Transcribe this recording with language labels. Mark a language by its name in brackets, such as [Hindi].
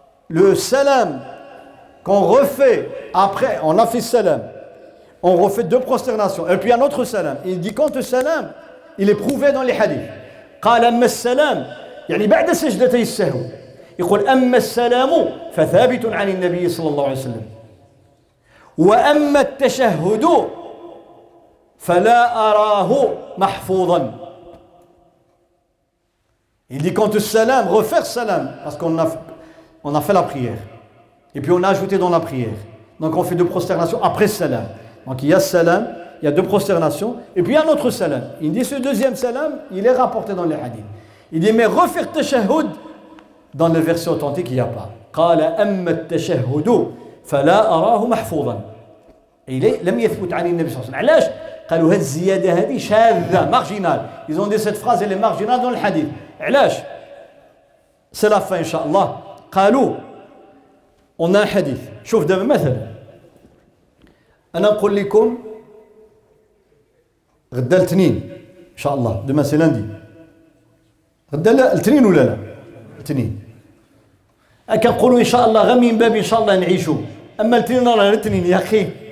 [French] le salam qu'on refait après on a fait salam on refait deux prosternations et puis un autre salam il dit quand le salam il est prouvé dans les hadiths [Arabic] قال أما السلام يعني بعد سجدتي السهو يقول أما السلام فثابت عن النبي صلى الله عليه وسلم وأما التشهد فلا أراه محفوظا. [French] Il dit quand le salam, refaire salam, parce qu'on a fait la prière. Et puis on a ajouté dans la prière. Donc on fait deux prosternations après salam. Donc il y a salam, il y a deux prosternations, et puis il y a un autre salam. Il dit ce deuxième salam, il est rapporté dans les hadiths. Il dit mais refaire tashahhud, dans les versets authentiques, il n'y a pas. [Arabic] قال أما التشهد فلا أراه محفوظا. [French] Il [Arabic] لم يثبت عن النبي صلى الله عليه وسلم. علاش؟ قالوا هذه الزياده هذه شاذه مارجينال [French] ils ont dit cette phrase elle est marginale dans le hadith [Arabic] علاش [French] c'est la fin inshallah [Arabic] قالوا [French] on a un hadith [Arabic] شوف دابا مثلا انا نقول لكم غدا الاثنين ان شاء الله دو مثلاً دي غدا الاثنين ولا لا الاثنين كنقولوا ان شاء الله غير من باب ان شاء الله نعيشوا اما الاثنين راه الاثنين يا اخي